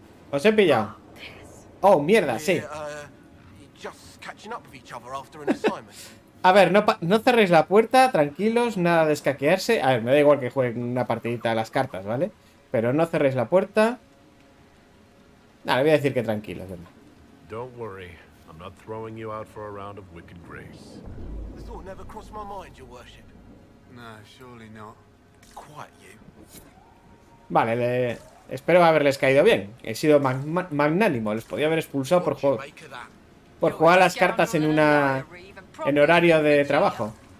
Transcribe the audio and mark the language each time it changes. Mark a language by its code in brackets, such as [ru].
[es] Os he pillado. Oh, mierda, sí. A ver, no cerréis la puerta, tranquilos, nada de escaquearse. A ver, me da igual que jueguen una partidita a las cartas, ¿vale? Pero no cerréis la puerta. Nada, le voy a decir que tranquilos, venga. [en] Don't worry, I'm not throwing you out for a round of wicked grace. The thought never crossed my mind, your worship. No, surely not. Quite you. [es] Vale, le... espero haberles caído bien. He sido magnánimo. Les podía haber expulsado por juego. Por jugar las cartas en una. En horario de trabajo.